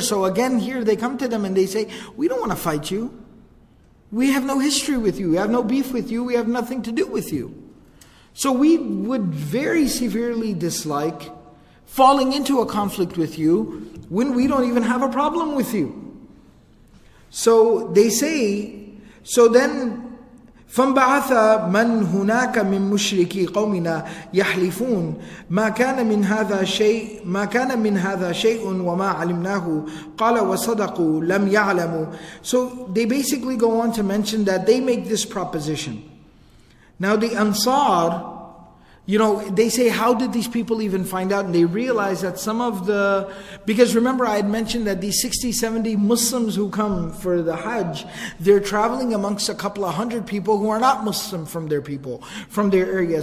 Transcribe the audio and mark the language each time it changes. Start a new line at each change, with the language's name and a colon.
English: So again, here they come to them and they say, we don't want to fight you. We have no history with you. We have no beef with you. We have nothing to do with you. So we would very severely dislike falling into a conflict with you when we don't even have a problem with you. So they say, so then,
Arabic: فَمْبَعَثَ مَنْ هُنَاكَ مِنْ مُشْرِكِ قَوْمِنَا يَحْلِفُونَ مَا كَانَ مِنْ هَذَا شَيْءٌ وَمَا عَلِمْنَاهُ قَالَ وَصَدَقُوا لَمْ يَعْلَمُوا.
English: So they basically go on to mention that they make this proposition. Now the Ansar, you know, they say, how did these people even find out? And they realize that some of the, because remember I had mentioned that these 60, 70 Muslims who come for the Hajj, they're traveling amongst a couple of hundred people who are not Muslim from their people, from their area.